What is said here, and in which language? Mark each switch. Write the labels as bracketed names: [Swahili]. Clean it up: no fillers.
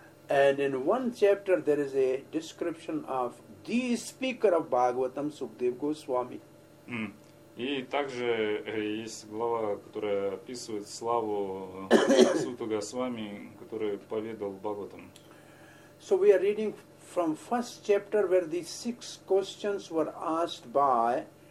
[English] And in one chapter there is a description of the speaker of Bhagavatam, Sukhdev Goswami. [Russian] И также есть глава, которая описывает славу Сута Госвами, который поведал Бхагаватам. [English] So we are reading from first chapter where the six questions were asked by